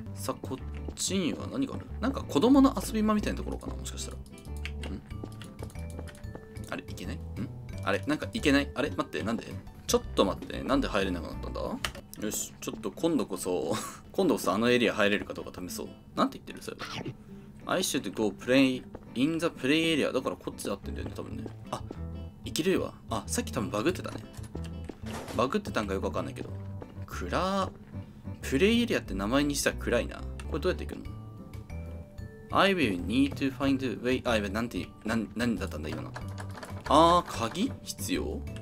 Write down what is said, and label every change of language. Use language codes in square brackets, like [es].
[ja] さあ、こっちには何がある。なんか子供の遊び場みたいなところかな、もしかしたら。ん、あれ、いけない。ん、あれ、なんかいけない。あれ、待って、なんで、ちょっと待って、なんで入れなくなったんだ。よし、ちょっと今度こそ今度こそあのエリア入れるかどうか試そう。なんて言ってるそれ。 [en] I should go play in the play area。 [ja] だからこっちで合ってんだよね多分ね。あ、いけるわ。あ、さっき多分バグってたね。バグってたんかよくわかんないけど、暗、プレイエリアって名前にしたら暗いな。これどうやっていくの。 [en] I will need to find a way。 [ja] あ、なんて、なんだったんだ今の。あー、鍵必要。